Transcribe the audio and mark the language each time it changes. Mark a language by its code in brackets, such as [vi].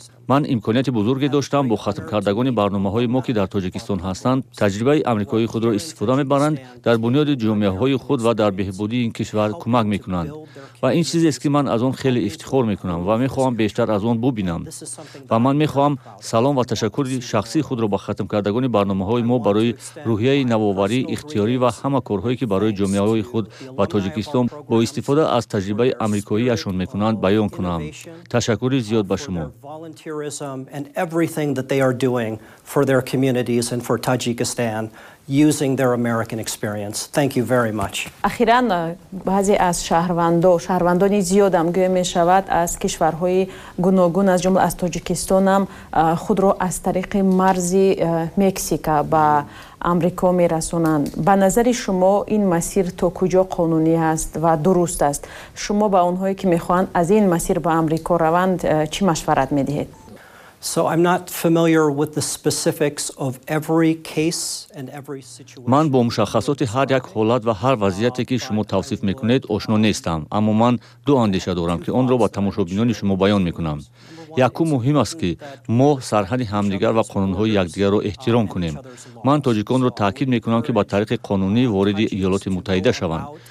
[fa] من امکانیت بزرگی داشتم با ختم کردگان برنامه های ما که در تاجیکستان هستند تجربه امریکایی خود را استفاده می برند، در بنیاد جامعه های خود و در بهبودی این کشور کمک می کنند و این چیزی است که من از آن خیلی افتخار می کنم و می خواهم بیشتر از آن ببینم و من می خواهم سلام و تشکر شخصی خود را به ختم کردگان برنامه های ما برای روحیه نوآوری اختیاری و همه کارهایی که برای جامعه های خود و تاجیکستان با استفاده از تجربه امریکایی اشون می کنند بیان کنم. تشکر زیاد به شما. [en] And everything that they are doing for their communities and for Tajikistan using their American experience. Thank you very much. [fa] اخیراً بعضی از شهروندان شهروندانی زیاد هم گویا می شود از کشورهای گوناگون از جمله از تاجیکستان هم خود را از طریق مرز مکزیکا با آمریکا می رسونند. به نظر شما این مسیر تا کجا قانونی است و درست است؟ شما به آنهایی که می خواهند از این مسیر به آمریکا روند چی مشورت می دهید؟ [en] So I'm not familiar with the specifics of every case and every situation. [fa] من با مشخصات هر یک حالت و هر وضعیتی که شما توصیف میکنید آشنا نیستم، اما من دو اندیشه دارم که آن را با تماشابینان شما بیان میکنم. یکو مهم است که ما سرحد همدیگر و قانونهای یکدیگر را احترام کنیم. من تاجیکان را تاکید میکنم که با طریق قانونی وارد ایالات متحده شوند.